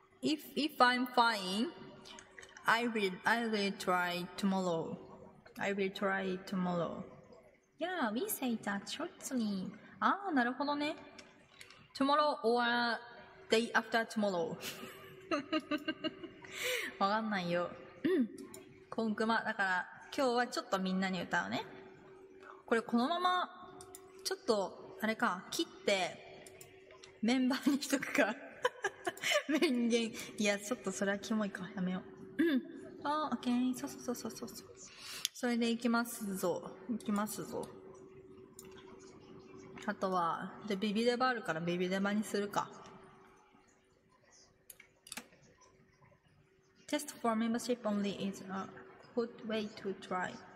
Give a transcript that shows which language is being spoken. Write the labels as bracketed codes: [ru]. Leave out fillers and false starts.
[en] If I'm fine, I will try tomorrow. I will try tomorrow. Yeah, we say that shortly. [ja] Ah, なるほどね。 [en] Tomorrow or day after tomorrow. [ja] わかんないよ。コンクマだから今日はちょっとみんなに歌うね。これこのままちょっとあれか、切ってメンバーにしとくか。名言、いやちょっとそれはキモいか、やめよう。うん、あ、オッケー、そうそうそうそうそう、それでいきますぞ、いきますぞ。あとはでビビデバあるからビビデバにするか。 [en] Test for membership only is a good way to try.